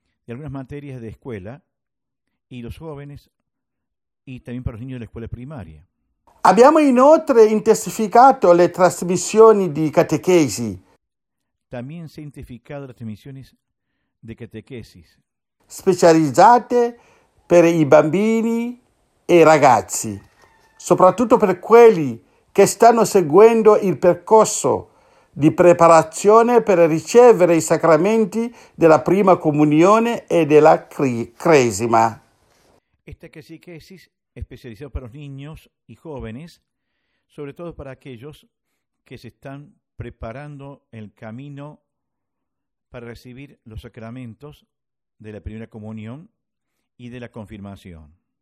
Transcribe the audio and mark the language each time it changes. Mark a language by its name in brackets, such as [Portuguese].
[Italian] Di alcune materie di scuola [Spanish] e los jóvenes y también para los niños de la escuela primaria. [Italian] Abbiamo inoltre intensificato le trasmissioni di catechesi. [Spanish] También se intensificado las transmisiones de catequesis. [Italian] Specializzate per i bambini e i ragazzi, soprattutto per quelli che stanno seguendo il percorso di preparazione per ricevere i sacramenti della prima comunione e della cresima. [Spanish] Esta catequesis especializada para los niños y jóvenes, sobre todo para aquellos que se están preparando el camino para recibir los sacramentos de la primera comunión y de la confirmación.